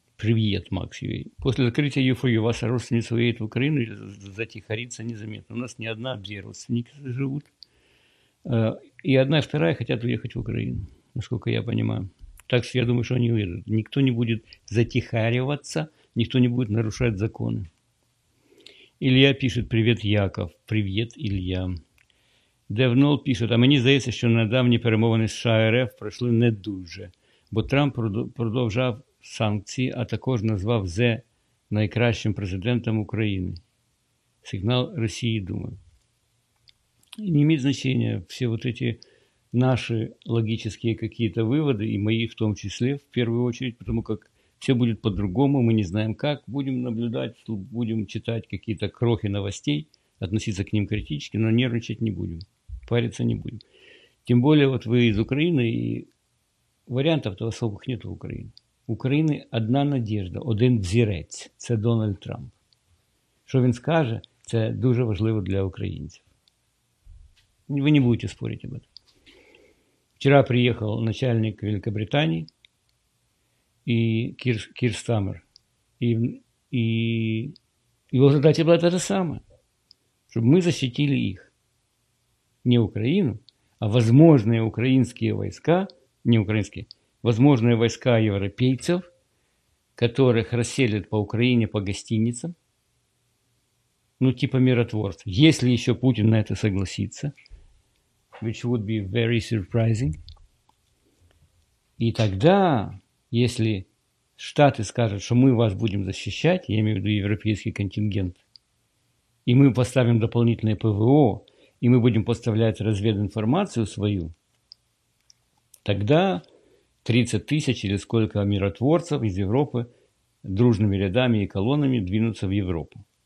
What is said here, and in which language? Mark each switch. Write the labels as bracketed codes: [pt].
[ru] Привет, Макс Юэй. После закрытия ЮФОЮ ваша родственница уедет в Украину или затихарится незаметно? У нас не одна, а 2 родственники живут. И одна, и вторая хотят уехать в Украину, насколько я понимаю. Так что я думаю, что они уедут. Никто не будет затихариваться, никто не будет нарушать законы. Илья пишет: привет, Яков. Привет, Илья. Девнол пишет: [uk] а мені здається, що недавні перемовини з США РФ пройшли не дуже. бо Трамп продовжав санкції, а також назвав Зе найкращим президентом України. Сигнал Росії, думаю. [ru] И не имеет значения все вот эти наши логические какие-то выводы, и мои в том числе, в первую очередь, потому как все будет по-другому, мы не знаем как, будем наблюдать, будем читать какие-то крохи новостей, относиться к ним критически, но нервничать не будем, париться не будем. Тем более вот вы из Украины, и вариантов-то особых нет в Украине. У Украины одна надежда, один [uk] взірець, це Дональд Трамп. Що він скаже, це дуже важливо для українців. Ви не будете спорити [ru] об этом. [uk] Вчора приїхав начальник Великобританії і Кір Стармер. І його задача була та ж сама, щоб ми захистили їх. Не Україну, а можливі українські війська, не українські, можливі війська європейців, яких розселять по Україні по гостиницям. [ru] Ну, типа миротворцев. Если еще Путин на это согласится, [en] which would be very surprising, [ru] и тогда, если Штаты скажут, что мы вас будем защищать, я имею в виду европейский контингент, и мы поставим дополнительное ПВО, и мы будем поставлять развединформацию свою, тогда 30 тысяч или сколько миротворцев из Европы дружными рядами и колоннами двинутся в Европу.